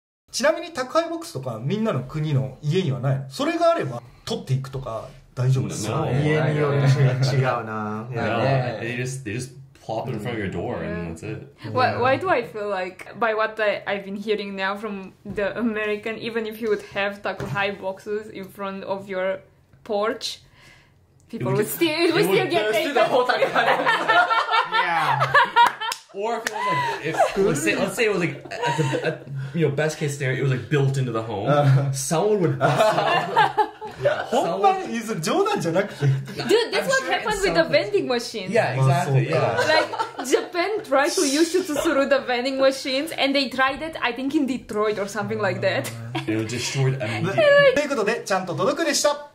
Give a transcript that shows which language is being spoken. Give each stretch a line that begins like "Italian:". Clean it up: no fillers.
Japanese: ちなみに宅配ボックスとかみんなの国の家にはない。それがあれば取っていくとか大丈夫ですよ。家によって違うな。
English: They just pop in front of your door and that's it. Why do I feel like by what I've been hearing now from the American, even if you would have宅配 boxes in front of your porch, people would still get taken. The whole time. Yeah. Or if it was like, let's say it was like at best case scenario, it was like built into the home. Someone would bust out. Yeah, is a joke, not dude. That's what happened with the vending machine. Yeah, exactly. Yeah. Like Japan tried to use it through the vending machines, and they tried it. I think in Detroit or something like that. It was destroyed.
Japanese: ということでちゃんと届くでした。